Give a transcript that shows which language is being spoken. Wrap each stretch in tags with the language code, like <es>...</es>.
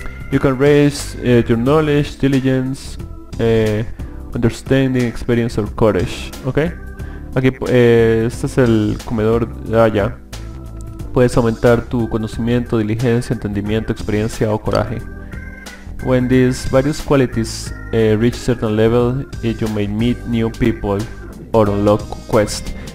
<en>You can raise your knowledge, diligence, understanding, experience or courage.</en> <es>Ok. Aquí, este es el comedor de Aya. Puedes aumentar tu conocimiento, diligencia, entendimiento, experiencia o coraje.</es> <en>When these various qualities reach certain level, you may meet new people or unlock quests.</en>